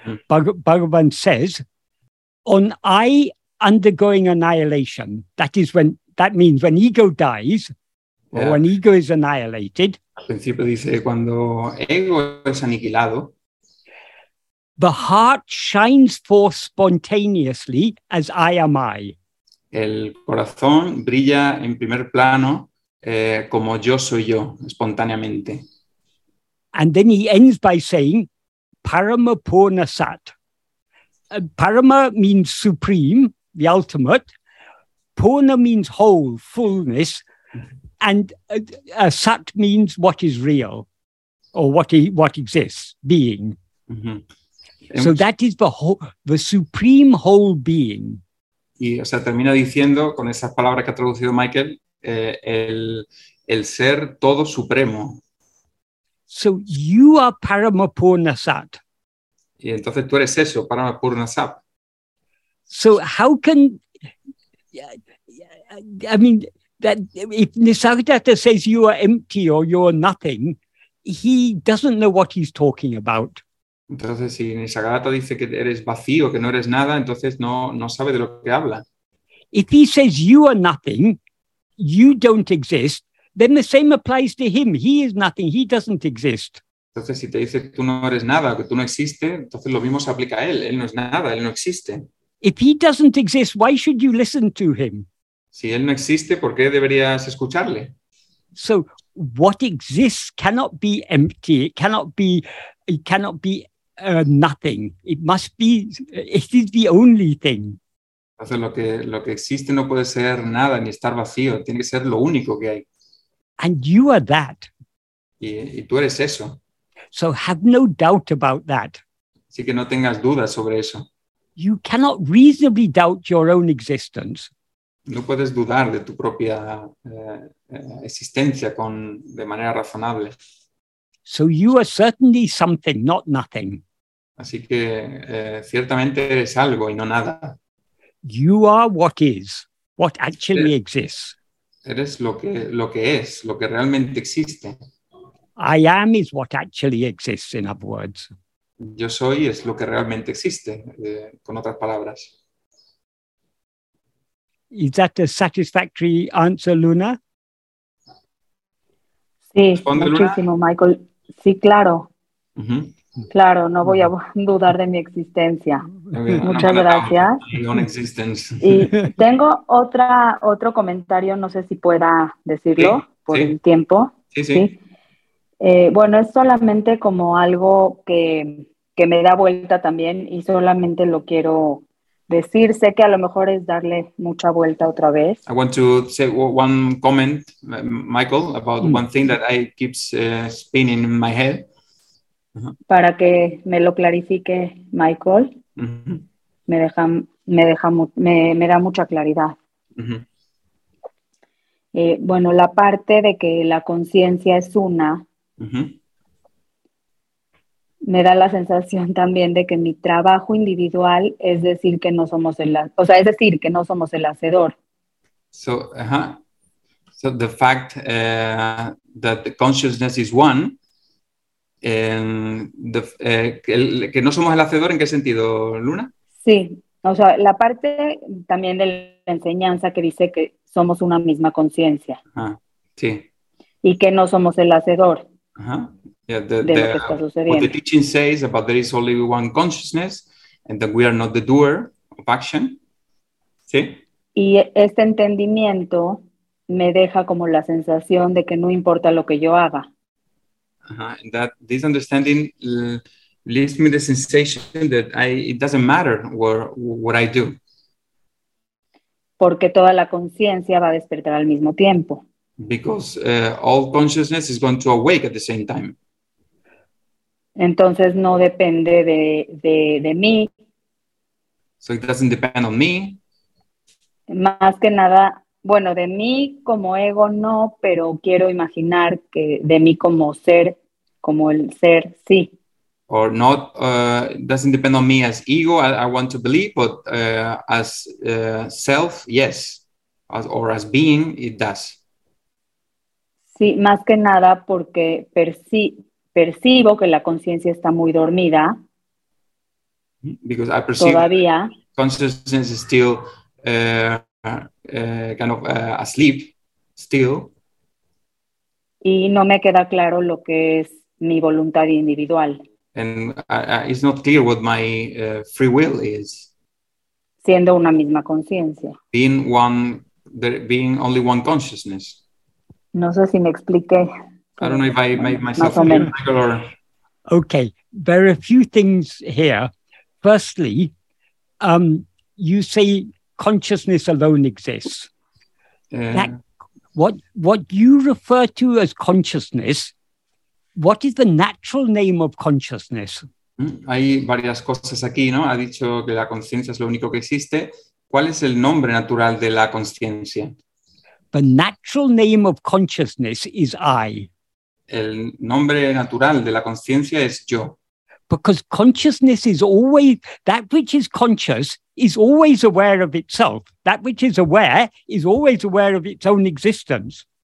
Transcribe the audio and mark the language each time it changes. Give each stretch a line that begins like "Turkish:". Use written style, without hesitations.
English: Bhagavan says, on I undergoing annihilation, that is when, that means when ego dies, or when ego is annihilated.
Spanish: Al principio dice, cuando ego es aniquilado,
English: the heart shines forth spontaneously as I am I.
Spanish: El corazón brilla en primer plano como yo soy yo, espontáneamente.
English: And then he ends by saying, Parama Purna Sat. Parama means supreme, the ultimate. Purna means whole, fullness. And Sat means what is real, or what exists, being. Mm-hmm. So that is the supreme whole being.
Spanish: Y, o sea, termina diciendo, con esas palabras que ha traducido Michael, el ser todo supremo.
English: So you are Parama Purna Sat.
Spanish: Y entonces tú eres eso, Parama Purna Sat.
English: So how can... I mean, that if Nisargadatta says you are empty or you are nothing, he doesn't know what he's talking about.
Spanish: Entonces, si Nisargadatta dice que eres vacío, que no eres nada, entonces no sabe de lo que habla.
English: If he says you are nothing, you don't exist, then the same applies to him. He is nothing, he doesn't exist.
Spanish: Entonces, si te dice tú no eres nada, que tú no existes, entonces lo mismo se aplica a él. Él no es nada, él no existe.
English: If he doesn't exist, why should you listen to him?
Spanish: Si él no existe, ¿por qué deberías escucharle?
English: So, what exists cannot be empty. It cannot be nothing. It must be. It is the only thing.
Spanish: Entonces, lo que existe no puede ser nada ni estar vacío. Tiene que ser lo único que hay.
English: And you are that.
Spanish: Y tú eres eso.
English: So have no doubt about that.
Spanish: Así que no tengas dudas sobre eso.
English: You cannot reasonably doubt your own existence.
Spanish: No puedes dudar de tu propia existencia de manera razonable.
English: So you are certainly something, not nothing.
Spanish: Así que ciertamente eres algo y no nada.
English: You are what is, what actually exists.
Spanish: Eres lo que es, lo que realmente existe.
English: I am is what actually exists, in other words.
Spanish: Yo soy es lo que realmente existe, con otras palabras.
English: Is that a satisfactory answer, Luna?
Spanish: Sí, muchísimo, Luna? Michael. Sí, claro. Uh-huh. Claro, no voy a dudar de mi existencia. Okay. Muchas gracias. Y tengo otro comentario, no sé si pueda decirlo el tiempo. Sí, sí. ¿Sí? Bueno, es solamente como algo que me da vuelta también y solamente lo quiero decir. Sé que a lo mejor es darle mucha vuelta otra vez.
English: I want to say one comment, Michael, about one thing that I keeps spinning in my head.
Spanish: Para que me lo clarifique, Michael. Mm-hmm. Me da mucha claridad. Mm-hmm. Bueno, la parte de que la conciencia es una. Me da la sensación también de que mi trabajo individual es decir que no somos el hacedor.
English: So, So the fact that the consciousness is one,
Spanish: que no somos el hacedor, ¿en qué sentido,
English: Luna?
Spanish: Sí, o sea, la parte también de la enseñanza que dice que somos una misma conciencia. Ah, sí. Y que no somos el hacedor. Uh-huh. Yeah, de lo que está sucediendo.
English: What the teaching says about there is only one consciousness and that we are not the doer of action.
Spanish: Sí. Y este entendimiento me deja como la sensación de que no importa lo que yo haga. Uh-huh.
English: And that this understanding leaves me the sensation that it doesn't matter what I do.
Spanish: Porque toda la conciencia va a despertar al mismo tiempo.
English: Because all consciousness is going to awake at the same time.
Spanish: Entonces no depende de mí.
English: So it doesn't depend on me.
Spanish: Más que nada, bueno, de mí como ego no, pero quiero imaginar que de mí como ser, como el ser, sí.
English: Or not, doesn't depend on me as ego, I want to believe, but as self, yes. As being, it does.
Spanish: Sí, más que nada porque percibo que la conciencia está muy dormida.
English: Because I perceive
Spanish: todavía.
English: Consciousness is still kind of asleep, still.
Spanish: Y no me queda claro lo que es mi voluntad individual.
English: And it's not clear what my free will is.
Spanish: Siendo una misma conciencia.
English: Being only one consciousness.
Spanish: No sé si me expliqué.
English: I don't know if I made myself clear, Michael, or... Okay, there are a few things here. Firstly, you say consciousness alone exists. What you refer to as consciousness, what is the natural name of consciousness?
Spanish: Hay varias cosas aquí, ¿no? Ha dicho que la conciencia es lo único que existe. ¿Cuál es el nombre natural de la conciencia?
English: The natural name of consciousness is I.
Spanish: El nombre natural de la conciencia es yo.
English: Because consciousness is always, that which is conscious is always aware of itself. That which is aware is always aware of its own existence.